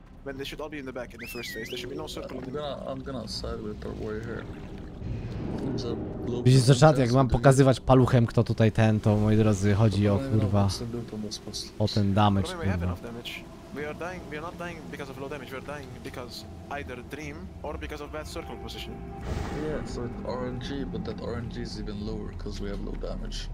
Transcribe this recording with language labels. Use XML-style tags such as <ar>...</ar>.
<en>When they should all be in the back in the first phase, there should be no circle. I'm gonna side with our way here.</en> <pl>Widzisz co czat, jak mam pokazywać paluchem kto tutaj ten, to moi drodzy, chodzi o kurwa, o ten damage.</pl> <en>We have enough damage. We are dying, we are not dying because of low damage, we are dying because either dream or because of bad circle position. Yeah, so it's RNG, but that RNG is even lower because we have low damage.</en>